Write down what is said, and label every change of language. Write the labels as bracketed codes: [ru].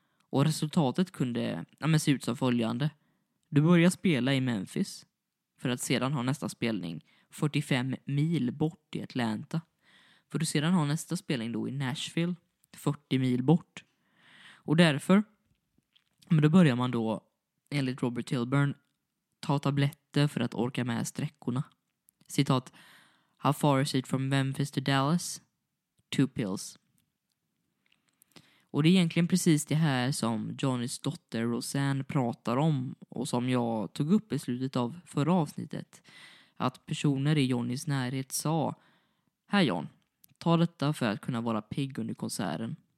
[sv] Och resultatet kunde se ut som följande. Du börjar spela i Memphis för att sedan ha nästa spelning 45 mil bort i Atlanta. För att sedan ha nästa spelning då i Nashville 40 mil bort. Och därför, då börjar man då enligt Robert Hilburn ta tabletter för att orka med sträckorna. [en] Citat, how far is it from Memphis to Dallas? 2 pills. [sv] Och det är egentligen precis det här som Johnnys dotter Roseanne pratar om och som jag tog upp i slutet av förra avsnittet. Att personer i Johnnys närhet sa, här John, ta detta för att kunna vara pigg under konserten.